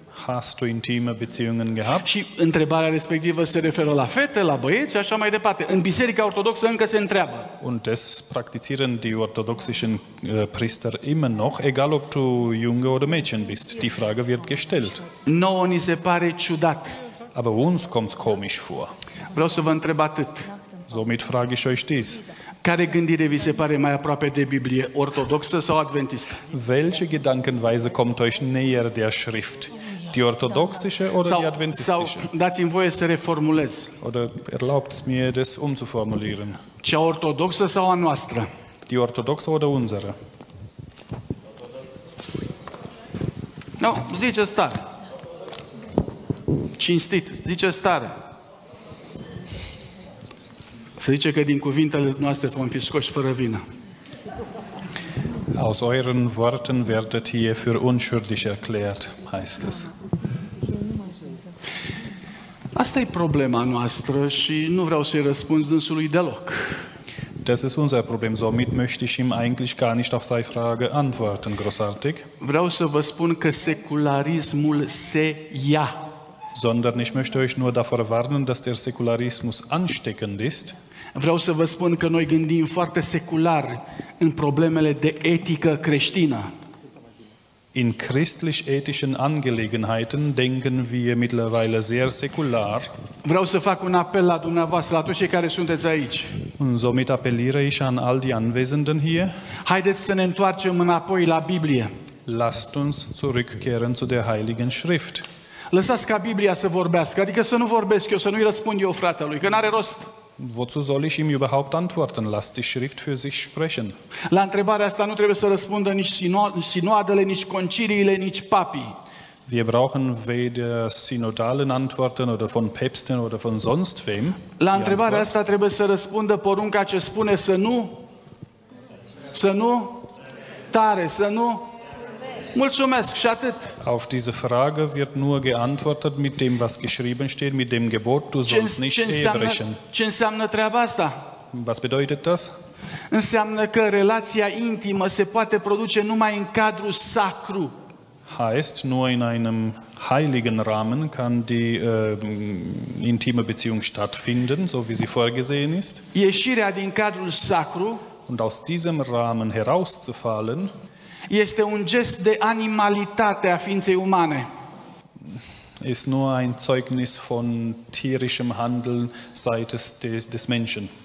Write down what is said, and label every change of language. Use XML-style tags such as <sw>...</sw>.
<de>Hast du intime Beziehungen gehabt?</de> <ro>Și întrebarea respectivă se referă la fete, la băieți, așa mai departe. În biserica ortodoxă încă se întreabă.</ro> <de>Und das praktizieren die orthodoxischen Priester immer noch, egal ob du Junge oder Mädchen bist. Die Frage wird gestellt.</de> <ro>Nouă ni se pare ciudat.</ro> <de>Aber uns kommt komisch vor.</de> <ro>Vreau să vă întreb atât.</ro> <de>Somit frage ich euch dies.</de> <ro>Care gândire vi se pare mai aproape de Biblie, ortodoxă sau adventistă?</ro> <de>Welche Gedankenweise kommt euch näher der Schrift? Die orthodoxische oder</de> <ro>sau,</ro> <de>die adventistische?</de> <ro>Sau, dați-mi voie să reformulez.</ro> <de>Oder erlaubt's mir, das umzuformulieren.</de> <ro>Cea ortodoxă sau a noastră?</ro> <de>Die orthodoxe oder unsere?</de> <ro>No, zice stare. Cinstit, zice stare. Se zice că din cuvintele noastre vom fi scoși fără vină.</ro> <de>Aus euren Worten werdet ihr für unschuldig erklärt, heißt es.</de> <ro>Asta e problema noastră și nu vreau să-i răspund dânsului deloc.</ro> <de>Das ist unser Problem, somit möchte ich ihm eigentlich gar nicht auf seine Frage antworten, großartig.</de> <ro>Vreau să vă spun că secularismul se ia.</ro> <de>Sondern ich möchte euch nur davor warnen, dass der Säkularismus ansteckend ist.</de> <ro>Vreau să vă spun că noi gândim foarte secular în problemele de etică creștină.</ro> <de>In christlich-ethischen Angelegenheiten denken wir mittlerweile sehr säkular.</de> <ro>Vreau să fac un apel la dumneavoastră, la toți cei care sunteți aici.</ro> <de>Und somit appelliere ich an all die Anwesenden hier.</de> <ro>Haideți să ne întoarcem înapoi la Biblie.</ro> <de>Lasst uns zurückkehren zu der Heiligen Schrift.</de> <ro>Lăsați ca Biblia să vorbească, adică să nu vorbesc eu, să nu-i răspund eu fratelui, că n-are rost.</ro> <de>Wozu soll ich ihm überhaupt antworten? Lass die Schrift für sich sprechen.</de> <ro>La întrebarea asta nu trebuie să răspundă nici sinoadele, nici conciliile, nici papii.</ro> <de>Wir brauchen weder synodalen Antworten oder von Päpsten oder von sonst wem.</de> <ro>La întrebarea asta trebuie să răspundă porunca ce spune să nu. Să nu. Tare, să nu. Mulțumesc și atât.</ro> <de>Auf diese Frage wird nur geantwortet mit dem, was geschrieben steht, mit dem Gebot, du sollst nicht ehebrechen.</de> <ro>Ce înseamnă treaba asta?</ro> <de>Was bedeutet das?</de> <ro>Înseamnă că relația intimă se poate produce numai în cadrul sacru.</ro> <de>Heißt, nur in einem heiligen Rahmen kann die intime Beziehung stattfinden, so wie sie vorgesehen ist.</de> <ro>Ieșirea din cadrul sacru,</ro> <de>und aus diesem Rahmen herauszufallen,</de> <ro>este un gest de animalitate a ființei umane.</ro> <de>Ist nur ein Zeugnis von tierischem Handeln seitens des Menschen.</de>